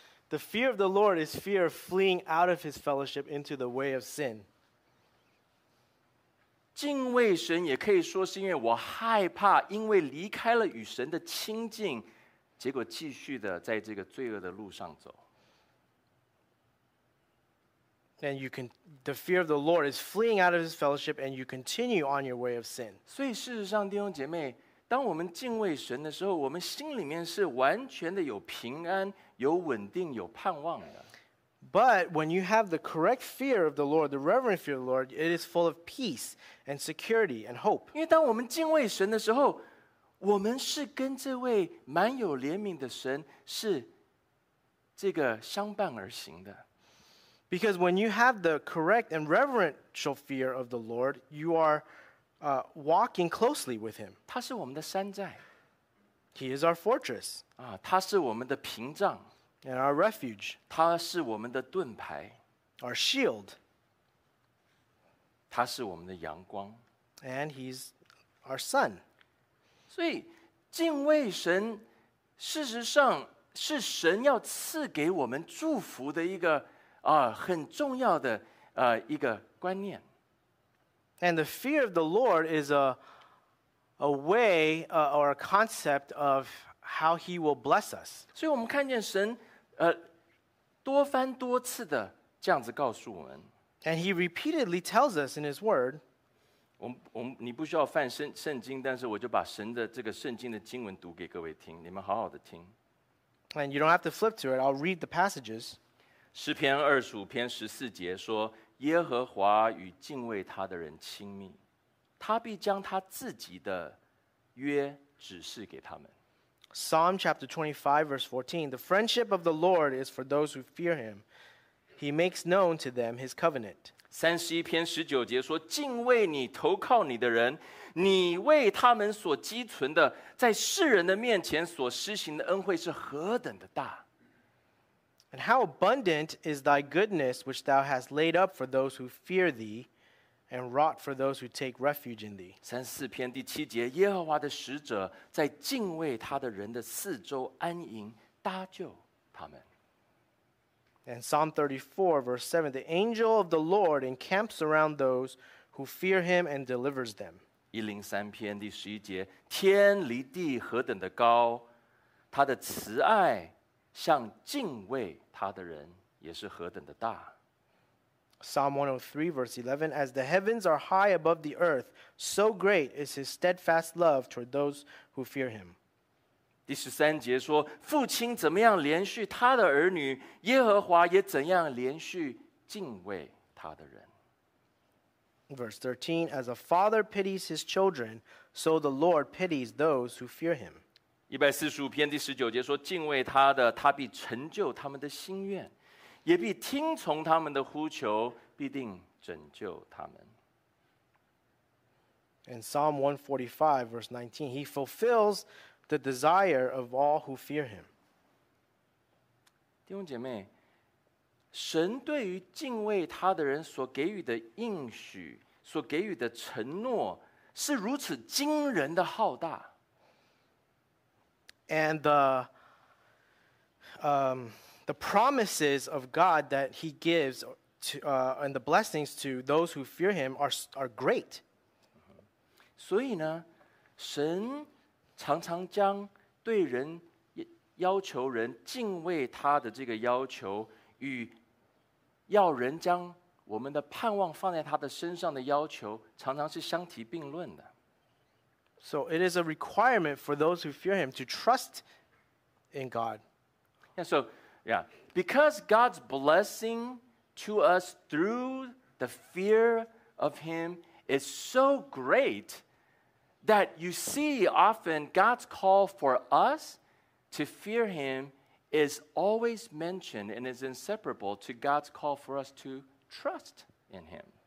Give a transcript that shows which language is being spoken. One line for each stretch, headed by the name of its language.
English: The fear of the Lord is fear of fleeing out of his fellowship into the way of sin.
Chinese: 敬畏神也可以说是因为我害怕，因为离开了与神的亲近，结果继续的在这个罪恶的路上走。
English: And you can, the fear of the Lord is fleeing out of his fellowship and you continue on your way of sin.
Chinese: 所以事实上弟兄姐妹当我们敬畏神的时候我们心里面是完全的有平安有稳定有盼望的。
English: But when you have the correct fear of the Lord, the reverent fear of the Lord, it is full of peace and security and hope.
Chinese: 因为当我们敬畏神的时候我们是跟这位满有怜悯的神是这个相伴而行的。
English: Because when you have the correct and reverential fear of the Lord, you are walking closely with him.
Chinese: 他是我们的山寨。
English: He is our fortress.
Chinese: 啊，他是我们的屏障。
English: And our refuge.
Chinese: 他是我们的盾牌。
English: Our shield.
Chinese: 他是我们的阳光。
English: And he's our sun.
Chinese: 所以敬畏神事实上是神要赐给我们祝福的一个很重要的一个观念。
English: And the fear of the Lord is a way or a concept of how he will bless us.
Chinese: 所以我们看见神多番多次的这样子告诉我们。
English: And he repeatedly tells us in his word,
Chinese: 你不需要翻圣经，但是我就把神的这个圣经的经文读给各位听，你们好好的听。
English: And you don't have to flip to it, I'll read the passages.
Chinese: 诗篇二十五篇十四节说：“耶和华与敬畏他的人亲密，他必将他自己的约指示给他们。”
English: Psalm chapter 25 verse 14: The friendship of the Lord is for those who fear Him; He makes known to them His covenant.
Chinese: 三十一篇十九节说：“敬畏你、投靠你的人，你为他们所积存的，在世人的面前所施行的恩惠是何等的大！”
English: And how abundant is thy goodness which thou hast laid up for those who fear thee and wrought for those who take refuge in thee.
Chinese: 三四篇第七节耶和华的使者在敬畏他的人的四周安营搭救他们。
English: And Psalm 34 verse 7 The angel of the Lord encamps around those who fear him and delivers them.
Chinese: 一零三篇第十一节天离地何等的高他的慈爱像敬畏他的人也是何等的大。
English: Psalm 103 verse 11 As the heavens are high above the earth, so great is his steadfast love toward those who fear him.
Chinese: 第十三节说父亲怎么样连续他的儿女耶和华也怎样连续敬畏他的人。
English: Verse 13 As a father pities his children, so the Lord pities those who fear him.
Chinese: 一百四十五篇第十九节说：“敬畏他的，他必成就他们的心愿，也必听从他们的呼求，必定拯救他们。”
English: And Psalm 145 verse 19, He fulfills the desire of all who fear Him.
Chinese: 弟兄姐妹，神对于敬畏他的人所给予的应许、所给予的承诺，是如此惊人的浩大。
English: And the the promises of God that he gives to, and the blessings to those who fear him are great.
Chinese: 所以呢, 神常常将对人 要求人敬畏他的这个要求，与要人将我们的盼望放在他的身上的要求，常常是相提并论的。So
English: it is a requirement for those who fear him to trust in God. Yeah, so yeah, because God's blessing to us through the fear of him is so great that you see often God's call for us to fear him is always mentioned and is inseparable to God's call for us to trust in him.